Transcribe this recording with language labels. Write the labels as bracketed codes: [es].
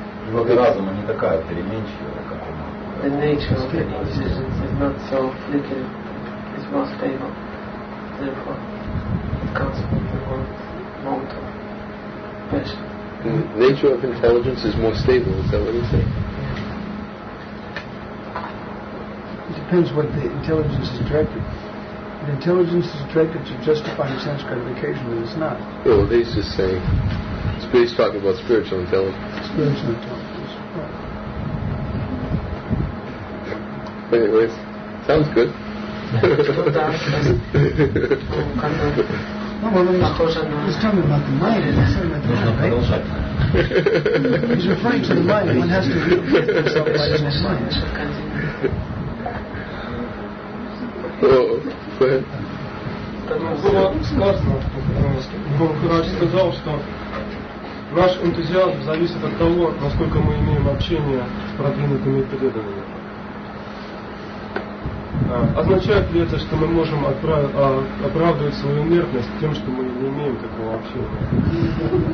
[ru] в мозге разума не такая переменчивая, как ума. [en] The nature of intelligence is not so flickering, it's more stable. Therefore, it comes from the mode of passion. The nature of intelligence is more stable. Is that what you say? It depends what the intelligence is directed. The intelligence is directed to justify sense gratification, but it's not. Well, he's just saying, he's talking about spiritual intelligence. Spiritual intelligence. Right. Anyways, sounds good. He's talking about the mind. He's referring to the mind. One has to deal with himself by his own mind. Oh. Go ahead. [ru] было сказано, Махарадж сказал, что наш энтузиазм зависит от того, насколько мы имеем общение с продвинутыми преданными. Означает ли это, что мы можем оправдывать свою инертность тем, что мы не имеем такого общения?